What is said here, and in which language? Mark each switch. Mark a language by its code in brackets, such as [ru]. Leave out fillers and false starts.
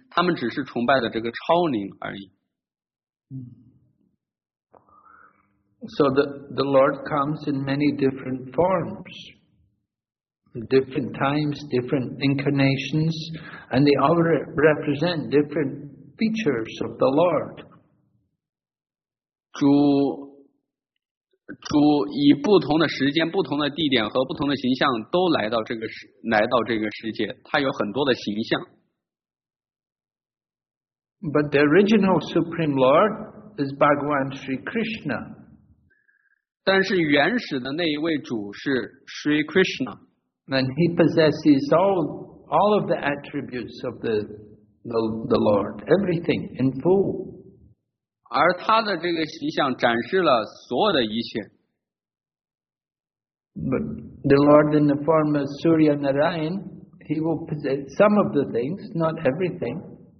[zh] 他们只是崇拜的这个超灵而已。 [en] So the Lord comes in many different forms, different times, different incarnations, and they all represent different features of the Lord. [zh] 主以不同的时间、不同的地点和不同的形象都来到这个世界，他有很多的形象。 [en] But the original Supreme Lord is Bhagavan Sri Krishna. [zh] 但是原始的那一位主是 Sri Krishna. [en] And he possesses all of the attributes of the Lord, everything in full. [zh] 而他的这个形象展示了所有的一切。 [en] But the Lord in the form of Surya Narayan, he will possess some of the things, not everything.